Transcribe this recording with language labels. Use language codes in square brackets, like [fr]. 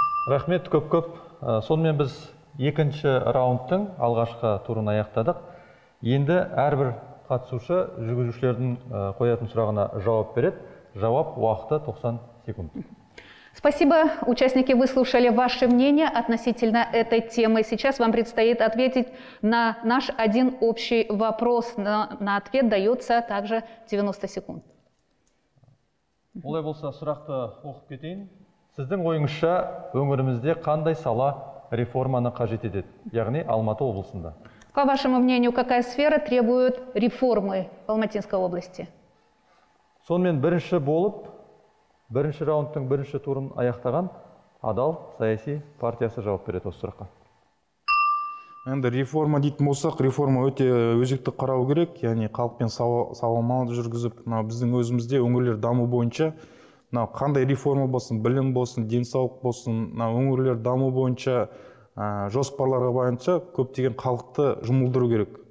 [kk] Рахмет көп-көп. Сонымен біз екінші раундтың алғашқы турын аяқтадық. Енді әрбір қатысушы жүргізушілердің қоятын сұрағына жауап береді. Жауап уақыты 90 секунд. [ru] Спасибо. Участники выслушали ваше мнение относительно этой темы. Сейчас вам предстоит ответить на наш один общий вопрос. На ответ дается также 90 секунд. [kk] Олай болса, сұрақты оқып кетейін. Сіздің ойыңызша, өңірімізде қандай сала реформаны қажет етеді? Яғни, Алматы облысында. [ru] По вашему мнению, какая сфера требует реформы в Алматинской области? [kk] Сонымен бірінші болып, бірінші раундтың бірінші турын аяқтаған Адал саяси партиясы жауап береді осы сұраққа. Енді реформа дейтін болсақ, реформа өте өзекті қарау керек. Яғни халықпен сауалнама жүргізіп, біздің өзімізде өңірлер даму бойынша қандай реформа болсын, білім болсын, денсаулық болсын, өңірлер даму бойынша жоспарларға байланысты көптеген халықты жұмылдыру керек.